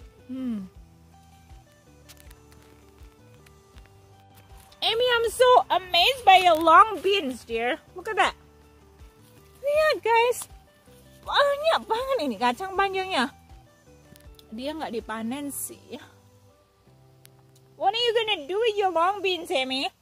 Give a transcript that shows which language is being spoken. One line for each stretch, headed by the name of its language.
English: Amy, I'm so amazed by your long beans, dear. Look at that.
Indonesian: Lihat,
English: guys.
Indonesian: Banyak banget ini kacang panjangnya. Dia nggak dipanen sih.
English: What are you gonna do with your long beans, Amy?